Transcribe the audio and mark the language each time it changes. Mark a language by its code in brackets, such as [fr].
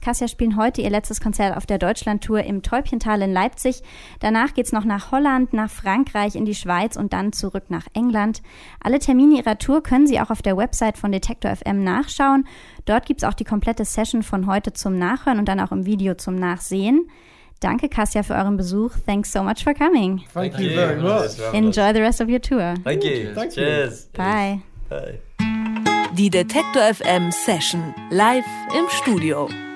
[de] Cassia spielen heute ihr letztes Konzert auf der Deutschlandtour im Täubchental in Leipzig. Danach geht's noch nach Holland, nach Frankreich, in die Schweiz und dann zurück nach England. Alle Termine ihrer Tour können Sie auch auf der Website von Detektor FM nachschauen. Dort gibt's auch die komplette Session von heute zum Nachhören und dann auch im Video zum Nachsehen. Danke, Cassia, für euren Besuch. [en] Thanks so much for coming. Thank you very much. Enjoy the rest of your tour. Thank you. Cheers. Bye. [de] Die Detektor FM Session live im Studio.